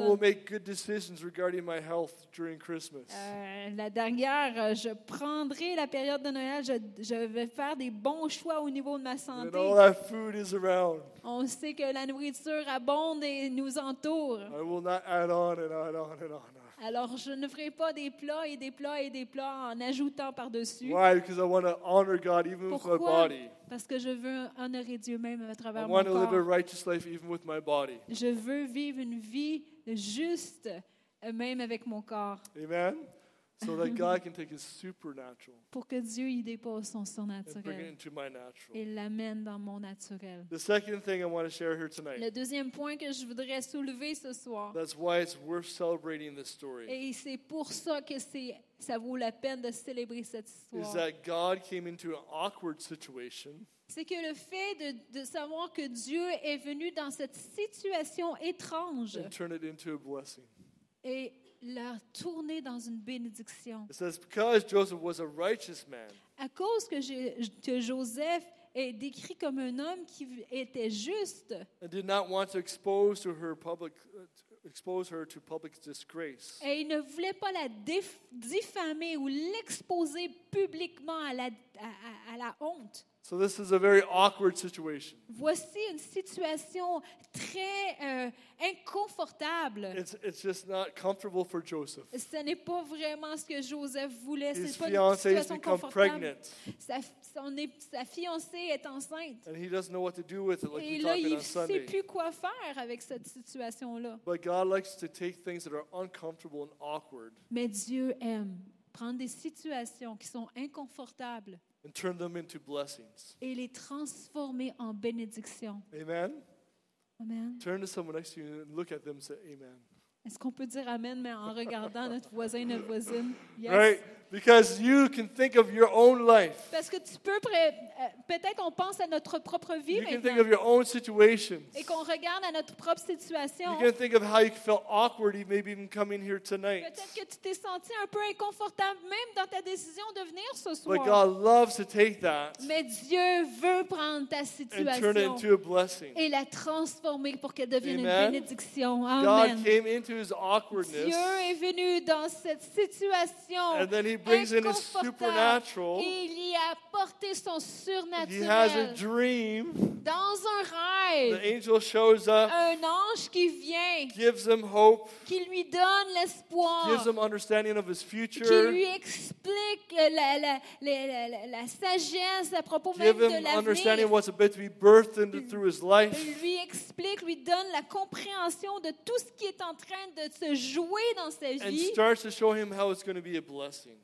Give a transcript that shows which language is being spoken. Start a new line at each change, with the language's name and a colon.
English: I will make good decisions regarding my health during Christmas.
French: La dernière, je prendrai la période de Noël, je vais faire des bons choix au niveau de ma santé.
English: And all that food is around.
French: On sait que la nourriture abonde et nous entoure.
English: I will not add on and on and on and on.
French: Alors, je ne ferai pas des plats et des plats et des plats en ajoutant par-dessus.
English: Why? Because I want to honor God even
French: Pourquoi?
English: With my body.
French: Parce que je veux honorer Dieu même à travers
English: I
French: mon corps.
English: I want to live a righteous life even with my body.
French: Je veux vivre une vie juste même avec mon corps. Amen.
English: So that God can take his supernatural.
French: Pour que Dieu y dépose son surnaturel.
English: And bring it into my natural.
French: Et l'amène dans mon naturel.
English: The second thing I want to share here tonight.
French: Le deuxième point que je voudrais soulever ce soir.
English: That's why it's worth celebrating this story.
French: Et c'est pour ça que ça vaut la peine de célébrer cette histoire.
English: Is that God came into an awkward situation.
French: C'est que le fait de savoir que Dieu est venu dans cette situation étrange.
English: And turn it into a blessing.
French: Et l'a tourné dans une bénédiction.
English: It says, because Joseph was a righteous man.
French: À cause que Joseph est décrit comme un homme qui était juste.
English: And did not want to expose to her public expose her to public disgrace.
French: Et il ne voulait pas la diffamer ou l'exposer publiquement à la honte.
English: So this is a very awkward situation.
French: Voici une situation très inconfortable.
English: It's just not comfortable for Joseph.
French: Ce n'est pas vraiment ce que Joseph voulait.
English: His fiancée has become pregnant.
French: Sa fiancée est enceinte.
English: And he doesn't know what to do with it, like we talked about on Sunday.
French: Et là, il ne sait plus quoi faire avec cette situation-là.
English: But God likes to take things that are uncomfortable and awkward.
French: Mais Dieu aime prendre des situations qui sont inconfortables.
English: And turn them into blessings.
French: Et les transformer en bénédictions. Amen. Amen.
English: Turn to someone next to you and look at them and say amen.
French: Est-ce qu'on peut dire amen mais en regardant notre voisin, notre voisine?
English: Yes. Right, because you can think of your own life.
French: Parce que tu peux peut-être on pense à notre propre vie.
English: You
French: maintenant.
English: Can think of your own situations.
French: Et qu'on regarde à notre propre situation.
English: You can think of how you felt awkward, maybe even coming here tonight.
French: Peut-être que tu t'es senti un peu inconfortable même dans ta décision de venir ce soir.
English: But God loves to take that.
French: Mais Dieu veut prendre ta situation.
English: And turn it into a blessing.
French: Et la transformer pour qu'elle devienne Amen. Une bénédiction. Amen.
English: God came into his awkwardness.
French: Dieu est venu dans cette situation.
English: And then he brings in his supernatural.
French: Il y a apporté son surnaturel.
English: He has a dream.
French: Dans un rêve.
English: The angel shows up.
French: Un ange qui vient.
English: Gives him hope.
French: Qui lui donne l'espoir.
English: Gives him understanding of his future.
French: Qui lui explique la sagesse à propos même de l'avenir.
English: Gives him understanding what's about to be birthed into through his life.
French: Lui explique, lui donne la compréhension de tout ce qui est en train de se jouer dans sa vie.
English: And starts to show him how it's going to be a blessing.